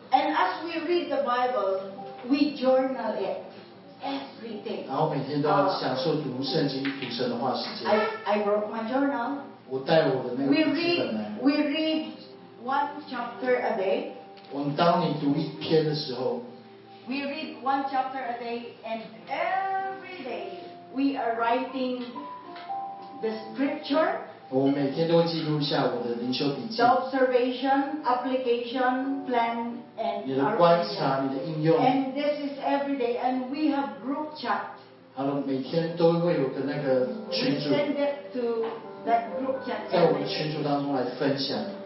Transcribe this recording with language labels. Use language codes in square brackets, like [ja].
[en] And as we read the Bible, we journal it every day. [zh] 然后每天都要享受读圣经读神的话时间。 [en] I broke my journal. [zh] 我带我的那个笔记本来。 [en] We read one chapter a day. [zh] 我们当你读一篇的时候。We [en] read one chapter a day, and every day we are writing the scripture. [zh] 我每天都记录下我的灵修笔记。The [en] observation, application, plan, and [zh] our. 你的观察，你的应用。And [en] this is every day, and we have group chat. [zh] 好了，每天都会有个那个群组。We [en] send it to. That group chat. [zh] 在我们群组当中来分享。